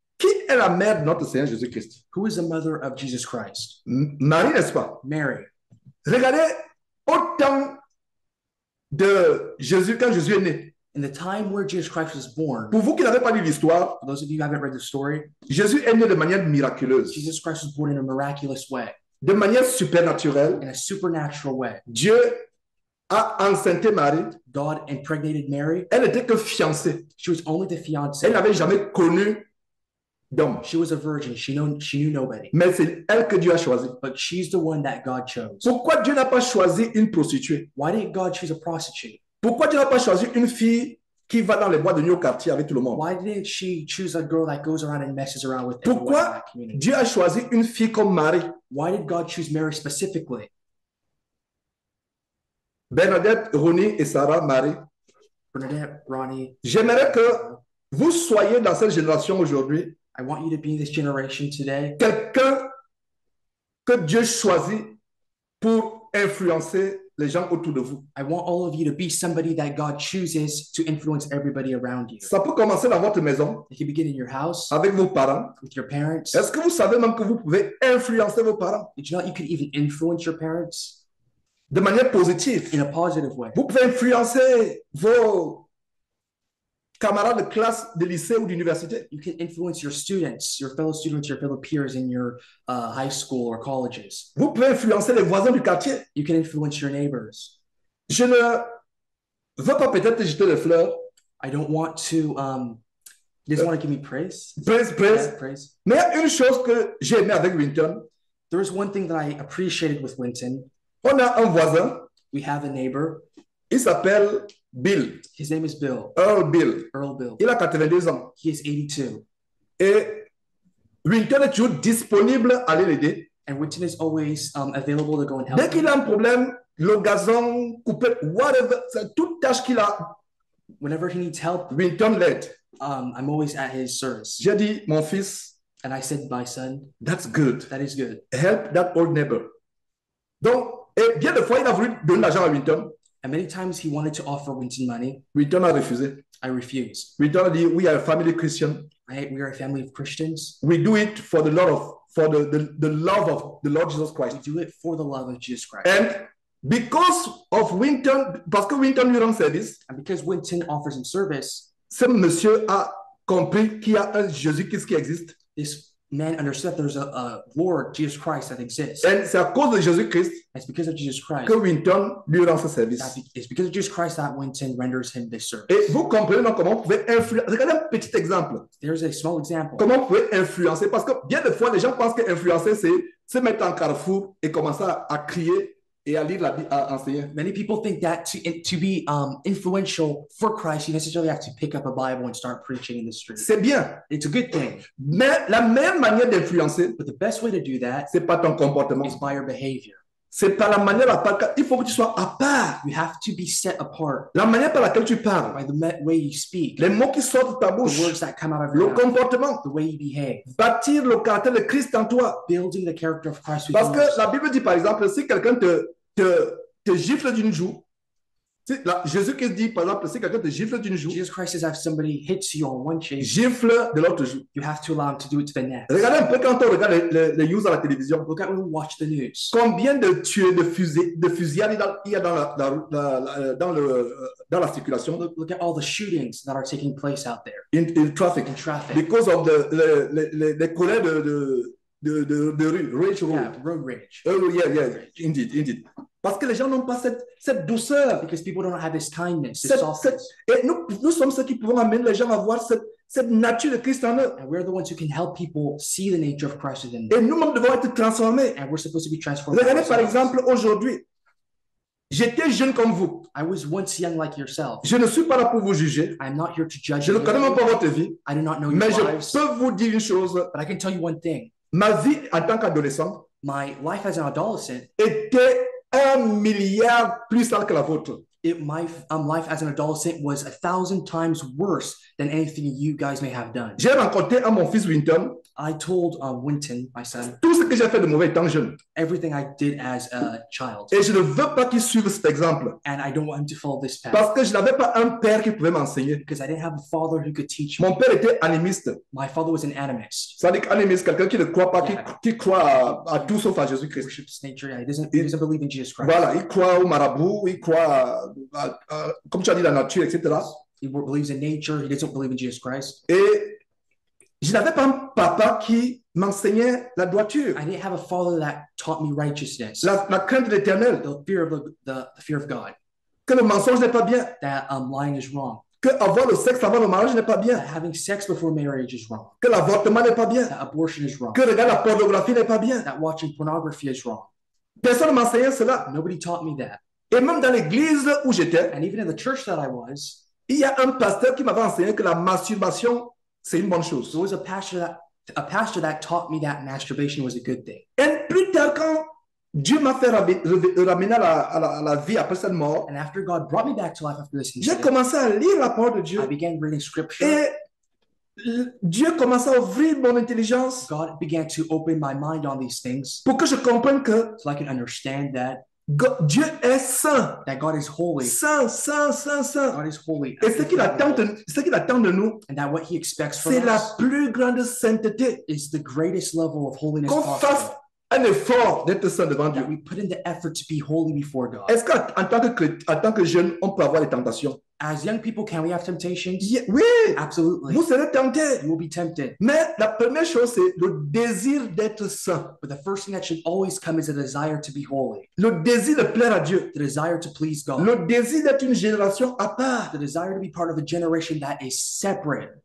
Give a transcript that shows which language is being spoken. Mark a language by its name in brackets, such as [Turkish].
[French] Qui est la mère de notre Seigneur Jésus Christ? [English] Who is the mother of Jesus Christ? [French] Marie, n'est-ce pas? [English] Mary. [French] Regardez au temps de Jésus, quand Jésus est né. [English] In the time where Jesus Christ was born. [French] Pour vous qui n'avez pas lu l'histoire. [English] For those of you who haven't read the story. [French] Jésus est né de manière miraculeuse. [English] Jesus Christ was born in a miraculous way. [French] De manière supernaturelle. [English] In a supernatural way. [French] Dieu a enceinté Marie. [English] God impregnated Mary. [French] Elle n'était que fiancée. [English] She was only the fiancée. [French] Elle n'avait jamais connu. Donc, [English] she was a virgin. She knew nobody. [French] Mais c'est elle que Dieu a choisi. [English] But she's the one that God chose. [French] Pourquoi Dieu n'a pas choisi une prostituée? [English] Why didn't God choose a prostitute? [French] Pourquoi Dieu n'a pas choisi une fille qui va dans les bois de New Quartier avec tout le monde? [English] Why didn't she choose a girl that goes around and messes around with everyone in that community? [French] Pourquoi Dieu a choisi une fille comme Marie? [English] Why did God choose Mary specifically? [French] Bernadette, Ronnie et Sarah, Marie. [English] Bernadette, Ronnie. [French] J'aimerais que vous soyez dans cette génération aujourd'hui. [English] I want you to be in this generation today. [French] Quelqu'un que Dieu choisit pour influencer les gens autour de vous. [English] I want all of you to be somebody that God chooses to influence everybody around you. [French] Ça peut commencer dans votre maison. [English] It can begin in your house. [French] Avec vos parents. [English] With your parents. [French] Est-ce que vous savez même que vous pouvez influencer vos parents? [English] Did you know you can even influence your parents? [French] De manière positive. [English] In a positive way. [French] Vous pouvez influencer vos Camarade de classe de lycée ou d'université. [English] You can influence your students, your fellow students, your fellow peers in your high school or colleges. [French] Vous pouvez influencer les voisins du quartier. [English] You can influence your neighbors. [French] Je ne veux pas peut-être jeter les fleurs. [English] I don't want to, you just want to give me praise? Praise. [French] Mais il y a une chose que j'ai aimé avec Winton. [English] There is one thing that I appreciated with Winton. [French] On a un voisin. [English] We have a neighbor. [French] Il s'appelle Bill. [English] His name is Bill. [French] Earl Bill. Il a 92 ans. [English] He is 82. [French] Et Winton est toujours disponible à aller l'aider. [English] And Winton is always available to go and help. [French] Dès qu'il a un problème, le gazon, coupé, whatever, c'est toute tâche qu'il a. [English] Whenever he needs help, [French] Winton l'aide. [English] I'm always at his service. [French] J'ai dit, mon fils. [English] And I said, my son. That's good. That is good. Help that old neighbor. [French] Donc, et bien des fois, il a voulu donner l'argent à Winton. [English] And many times he wanted to offer Winton money. [French] Winton a refusé. [English] I refuse. [French] Winton a dit, [English] we are a family Christian. Right, we are a family of Christians. We do it for the love of the love of the Lord Jesus Christ. We do it for the love of Jesus Christ. And because of Winton, [French] parce que Winton lui rend service. [English] And because Winton offers him service. [French] Ce monsieur a compris qu'il y a un Jésus Christ qui existe. [English] This man understood there's a Lord Jesus Christ that exists. [French] And c'est à cause de Jésus Christ. [English] It's because of Jesus Christ [French] que Winton lui rend ce service. [English] It's because of Jesus Christ that Winton renders him this service. [French] Et vous comprenez donc comment vous pouvez influencer. Regardez un petit exemple. There's a small example. Comment vous pouvez influencer? Parce que bien des fois, les gens pensent que influencer, c'est se mettre en carrefour et commencer à crier. Et à lire la Bible, à enseigner. [English] Many people think that to be influential for Christ, you necessarily have to pick up a Bible and start preaching in the street. [French] C'est bien. [English] It's a good thing. [French] Mais la meilleure manière d'influencer, [English] but the best way to do that, [French] c'est pas ton comportement. [English] Is by your behavior. [French] C'est pas la manière à part. Il faut que tu sois à part. [English] You have to be set apart. [French] La manière par laquelle tu parles. [English] By the way you speak. [French] Les mots qui sortent de ta bouche. [English] The words that come out of [French] le [English] your mouth. [French] Le comportement. [English] The way you behave. [French] Bâtir le caractère de Christ en toi. [English] Building the character of Christ within you. [French] Parce que la Bible dit par exemple, si quelqu'un te gifle d'une joue, si, là, Jésus Christ dit par exemple, si quelqu'un te gifle d'une joue. [English] Jesus Christ says if somebody hits you on one cheek. [French] Gifle de l'autre joue. [English] You have to allow him to do it to the next. [French] Regardez un peu quand on regarde les news à la télévision. [English] Look at when we watch the news. [French] Combien de tués de fusillades il y a dans la circulation. [English] Look at all the shootings that are taking place out there. In traffic. In traffic. Because of the [French] colère de [English] rage. Yeah, road rage. Rage. Indeed. [French] Parce que les gens n'ont pas cette douceur. [English] Because people don't have this kindness, this softness. [French] Et nous sommes ceux qui pouvons amener les gens à voir cette nature de Christ en eux. [English] And we're the ones who can help people see the nature of Christ within them. [French] Et nous-mêmes devons être transformés. [English] And we're supposed to be transformed. [French] Regardez par exemple aujourd'hui. J'étais jeune comme vous. [English] I was once young like yourself. [French] Je ne suis pas là pour vous juger. [English] I'm not here to judge [French] you. Je ne connais même pas votre vie. [English] I do not know [French] mais [English] your [French] lives. Mais je peux vous dire une chose. [English] But I can tell you one thing. [French] Ma vie en tant qu'adolescent. [English] My life as an adolescent. [French] Était un milliard plus sale que la vôtre. [English] My life as an adolescent was 1,000 times worse than anything you guys may have done. [French] J'ai raconté à mon fils Winton. [English] I told Winton, my son. [French] Tout ce que j'ai fait de mauvais étant jeune. [English] Everything I did as a child. [French] Et je ne veux pas qu'il suive cet exemple. [English] And I don't want him to follow this path. [French] Parce que je n'avais pas un père qui pouvait m'enseigner. [English] Because I didn't have a father who could teach me. [French] Mon père était animiste. [English] My father was an animist. [French] C'est-à-dire qu'animiste, quelqu'un qui ne croit pas, qui croit à tout sauf à Jésus Christ. [English] Worships nature. He doesn't believe in Jesus Christ. [French] Voilà, il croit au marabout, il croit. Comme tu as dit, la nature, etc. [English] He believes in nature. He doesn't believe in Jesus Christ. [French] Et je n'avais pas un papa qui m'enseignait la droiture. [English] I didn't have a father that taught me righteousness. [French] La crainte de l'Éternel. [English] The fear of God. [French] Que le mensonge n'est pas bien. [English] That lying is wrong. [French] Que avoir le sexe avant le mariage n'est pas bien. [English] That having sex before marriage is wrong. [French] Que l'avortement n'est pas bien. [English] That abortion is wrong. [French] Que regarder la pornographie n'est pas bien. [English] That watching pornography is wrong. [French] Personne ne m'enseignait cela. [English] Nobody taught me that. [French] Et même dans l'église où j'étais, [English] and even in the church that I was, [French] il y a un pasteur qui m'avait enseigné que la masturbation, c'est une bonne chose. [English] There was a pastor that taught me that masturbation was a good thing. [French] Et plus tard, quand Dieu m'a fait ramener à la vie après cette mort, [English] and after God brought me back to life after this incident, [French] j'ai commencé à lire la parole de Dieu. [English] I began reading scripture. [French] Et Dieu commence à ouvrir mon intelligence. [English] God began to open my mind on these things. [French] Pour que je comprenne que, [English] so I can understand that. [French] Dieu est saint. [English] That God is holy. [French] Saint. [English] God is holy. [French] Et ce qu'il attend de nous, [English] and that what he expects from [French] c'est [English] us, [French] la plus grande sainteté. [English] Is the greatest level of holiness [French] qu'on [English] possible. [French] Qu'on fasse un effort d'être saint devant [English] that [French] Dieu. [English] We put in the effort to be holy before God. [French] Est-ce qu'en tant que jeune, on peut avoir les tentations? [English] As young people, can we have temptations? [French] Yeah, oui. [English] Absolutely. [French] Vous serez tenté. [English] You will be tempted. [French] Mais la première chose, c'est le désir d'être saint. [English] But the first thing that should always come is a desire to be holy. [French] Le désir de plaire à Dieu. [English] The desire to please God. [French] Le désir d'être une génération à part. [English] The desire to be part of a generation that is separate.